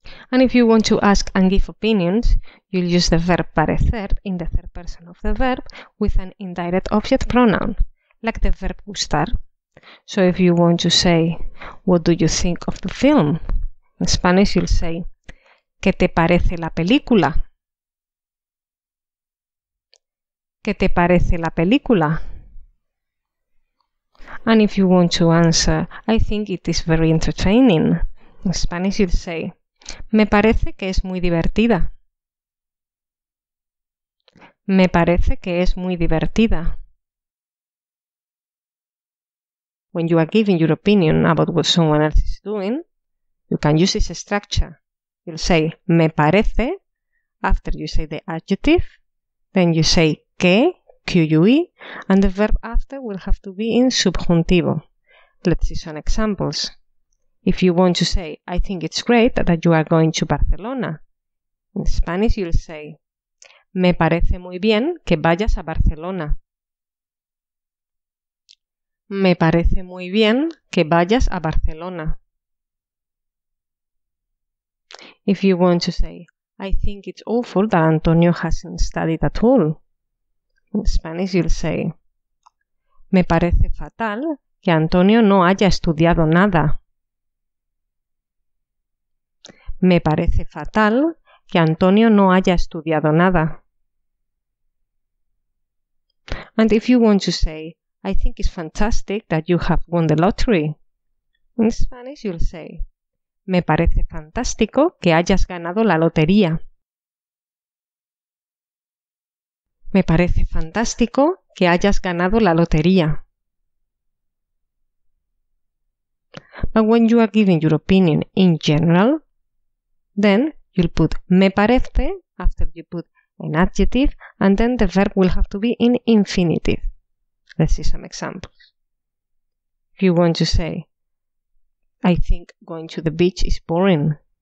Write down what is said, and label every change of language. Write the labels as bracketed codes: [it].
[en] And if you want to ask and give opinions, you'll use the verb parecer in the third person of the verb with an indirect object pronoun, like the verb gustar. So if you want to say, what do you think of the film? In Spanish you'll say, [es] ¿qué te parece la película? ¿Qué te parece la película? [en] And if you want to answer, I think it is very entertaining. In Spanish you'll say, [es] me parece que es muy divertida. Me parece que es muy divertida. [en] When you are giving your opinion about what someone else is doing, you can use this structure. You'll say me parece, after you say the adjective, then you say que, que, and the verb after will have to be in subjuntivo. Let's see some examples. If you want to say, I think it's great that you are going to Barcelona. In Spanish, you'll say, [es] Me parece muy bien que vayas a Barcelona. Me parece muy bien que vayas a Barcelona. [en] If you want to say, I think it's awful that Antonio hasn't studied at all. In Spanish, you'll say, [es] Me parece fatal que Antonio no haya estudiado nada. Me parece fatal que Antonio no haya estudiado nada. [en] And if you want to say, I think it's fantastic that you have won the lottery. In Spanish you'll say, [es] Me parece fantástico que hayas ganado la lotería. Me parece fantástico que hayas ganado la lotería. [en] But when you are giving your opinion in general, then you'll put me parece after you put an adjective, and then the verb will have to be in infinitive. Let's see some examples. If you want to say, I think going to the beach is boring.